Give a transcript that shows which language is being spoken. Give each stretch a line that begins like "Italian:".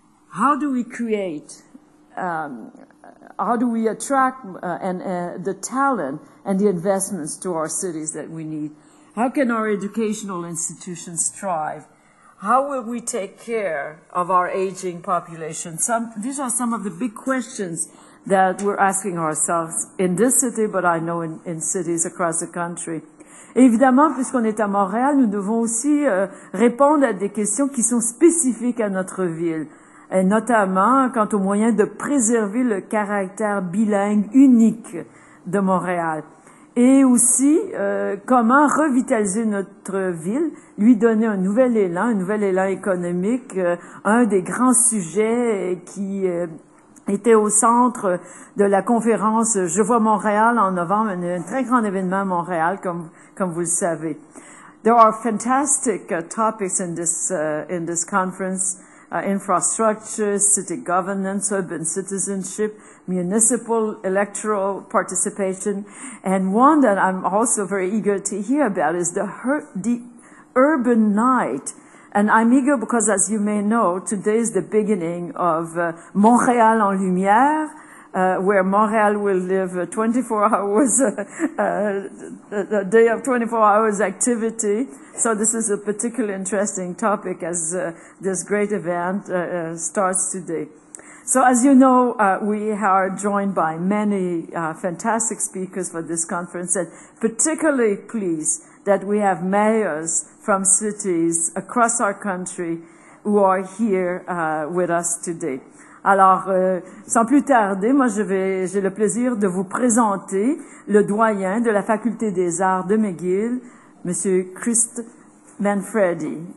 English: How do we create, how do we attract the talent and the investments to our cities that we need? How can our educational institutions thrive? How will we take care of our aging population? These are some of the big questions that we're asking ourselves in this city, but I know in cities across the country.
French: Évidemment, puisqu'on est à Montréal, nous devons aussi répondre à des questions qui sont spécifiques à notre ville, et notamment quant aux moyens de préserver le caractère bilingue unique de Montréal. Et aussi, comment revitaliser notre ville, lui donner un nouvel élan économique, un des grands sujets qui était au centre de la conférence « Je vois Montréal » en novembre, un très grand événement à Montréal, comme vous le savez.
English: There are fantastic topics in this conference, infrastructure, city governance, urban citizenship, municipal electoral participation, and one that I'm also very eager to hear about is the urban night. And I'm eager because, as you may know, today is the beginning of Montréal en Lumière, where Montréal will live 24 hours, a day of 24 hours activity. So this is a particularly interesting topic as this great event starts today. So as you know, we are joined by many fantastic speakers for this conference, and particularly pleased that we have mayors from cities across our country who are here with us today.
French: Alors, sans plus tarder, moi j'ai le plaisir de vous présenter le doyen de la Faculté des Arts de McGill, Monsieur Chris Manfredi.